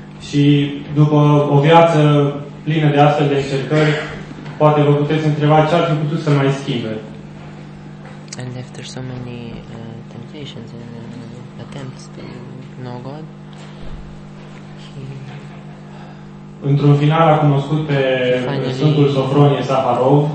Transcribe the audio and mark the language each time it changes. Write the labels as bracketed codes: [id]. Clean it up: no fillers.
[ro] Și după o viață plină de astfel de încercări, poate vă puteți întreba ce ar fi putut să mai schimbe. [en] And after so many temptations and attempts to know God, he... [ro] Într-un final a cunoscut pe Sfântul Sofronie Saharov,